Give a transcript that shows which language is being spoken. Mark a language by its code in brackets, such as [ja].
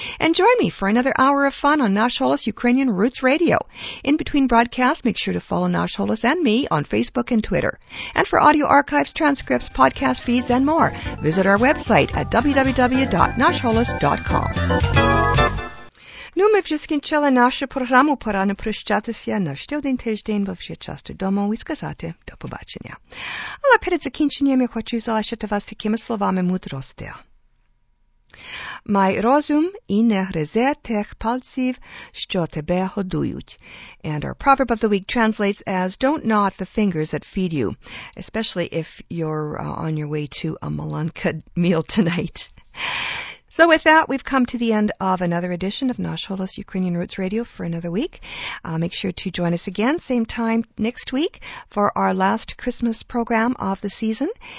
[en] And join me for another hour of fun on Nash Holos Ukrainian Roots Radio. In between broadcasts, make sure to follow Nash Holos and me on Facebook and Twitter. And for audio archives, transcripts, podcast feeds, and more, visit our website at www.nashholos.com. [uk] Ну, ми вже скінчили нашу програму. Пора не прощатися на ще один тиждень, бо вже час додому, і сказати до побачення. Але перед закінченням я хочу залишити вас такими словами мудрості. Май розум і не гризе тих пальців, що тебе годують. [en] And our proverb of the week translates as, don't gnaw the fingers that feed you, especially if you're on your way to a malanka meal tonight. So with that, we've come to the end of another edition of Nash Holos Ukrainian Roots Radio for another week. Make sure to join us again, same time next week, for our last Christmas program of the season.